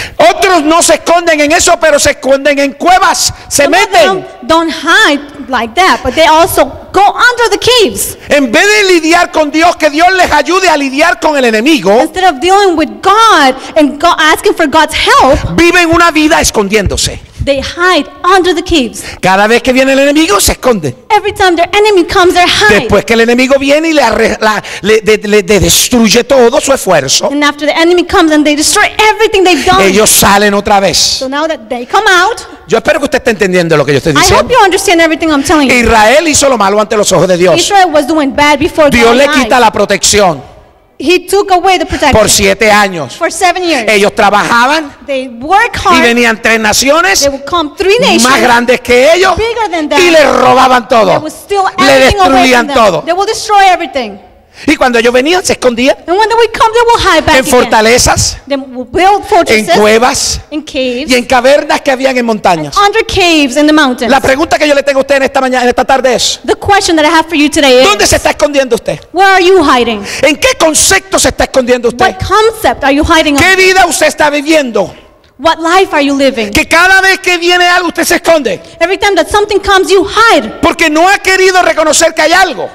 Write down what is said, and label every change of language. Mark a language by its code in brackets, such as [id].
[es] Otros no se esconden en eso, pero se esconden en cuevas, se [en] some [es] meten. [en] Don't hide like that, but they also go under the caves. [es] En vez de lidiar con Dios, que Dios les ayude a lidiar con el enemigo. [en] Instead of dealing with God and asking for God's help, [es] viven una vida escondiéndose. [en] They hide under the caves. [es] Cada vez que viene el enemigo, se esconden. [en] Every time their enemy comes, they hide. [es] Después que el enemigo viene y le destruye todo su esfuerzo. [en] And after the enemy comes and they destroy everything they've done. [es] Ellos salen otra vez. [en] So now that they come out. [es] Yo espero que usted esté entendiendo lo que yo estoy diciendo. [en] I hope you understand everything I'm telling you. [es] Israel hizo lo malo ante los ojos de Dios. [en] Israel was doing bad before [es] Dios [en] God [es] le quita la protección. [en] He took away the protection. [es] Por 7 años. [en] For 7 years. [es] Ellos trabajaban. [en] They work hard. [es] Y venían 3 naciones. [en] They would come 3 nations. [es] Más grandes que ellos. [en] Bigger than them. [es] Y les robaban todo. [en] They would steal everything. [es] Le destruían todo. [en] They would destroy everything. [es] Y cuando ellos venían, se escondían. [en] And when they would come, they would hide back [es] en fortalezas. [en] Again. They would build fortresses. [es] En cuevas. [en] In caves. [es] Y en cavernas que habían en montañas. [en] And under caves in the mountains. [es] La pregunta que yo le tengo a usted en esta mañana, en esta tarde es. [en] The question that I have for you today is. [es] ¿Dónde se está escondiendo usted? [en] Where are you hiding? [es] ¿En qué concepto se está escondiendo usted? [en] What concept are you hiding [es] ¿qué vida usted está viviendo? [en] What life are you living? [es] Que cada vez que viene algo usted se esconde. [en] Every time that something comes, you hide. [es] Porque no ha querido reconocer que hay algo.